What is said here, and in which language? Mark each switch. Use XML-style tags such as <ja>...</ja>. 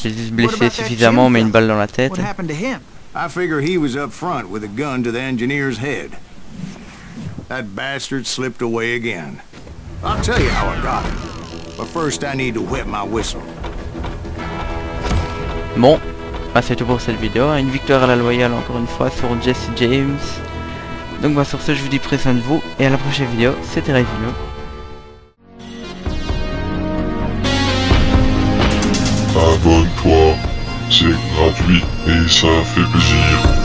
<fr>J'ai juste blessé suffisamment, mais une balle dans la tête.</fr> <en>What happened to him? I figure he was up front with a gun to the engineer's head. That bastard slipped away again. I'll tell you how I got him. But first I need to whip my whistle.</en> <fr>Bon, bah c'est tout pour cette vidéo. Une victoire à la loyale encore une fois sur Jesse James. Donc bah sur ce, je vous dis prenez soin de vous et à la prochaine vidéo. C'était Revino. Abonne-toi, c'est gratuit et ça fait plaisir.</fr>